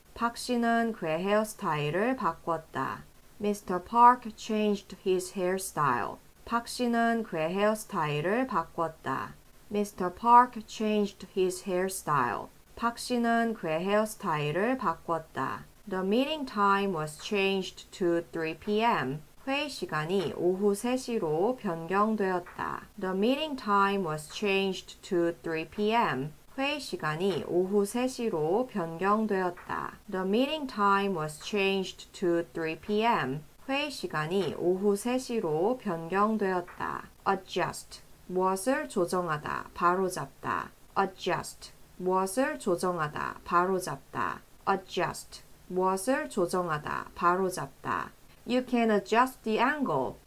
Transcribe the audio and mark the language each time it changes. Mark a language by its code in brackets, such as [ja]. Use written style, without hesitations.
[ko] 박 씨는 그의 헤어스타일을 바꿨다. [en] Mr. Park changed his hairstyle. [ko] 박 씨는 그의 헤어스타일을 바꿨다. [en] Mr. Park changed his hairstyle. [ko] 박 씨는 그의 헤어스타일을 바꿨다. [en] The meeting time was changed to 3 p.m. [ko] 회의 시간이 오후 3시로 변경되었다. [en] The meeting time was changed to 3 p.m. [ko] 회의 시간이 오후 3시로 변경되었다. [en] The meeting time was changed to 3 p.m. [ko] 회의 시간이 오후 3시로 변경되었다. Adjust 무엇을 조정하다, 바로잡다. Adjust 무엇을 조정하다, 바로잡다. Adjust 무엇을 조정하다, 바로잡다. [en] You can adjust the angle.